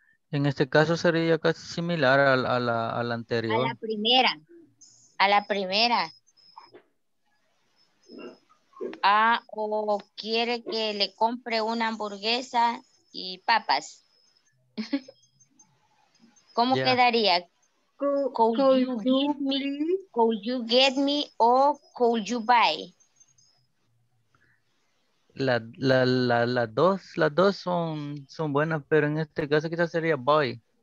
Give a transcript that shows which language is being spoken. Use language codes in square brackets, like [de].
[es] En este caso sería casi similar a la anterior. A la primera. Ah, o quiere que le compre una hamburguesa y papas. ¿Cómo quedaría? [en] Could you get me or could you buy? [es] Las dos son buenas, pero en este caso quizás sería buy.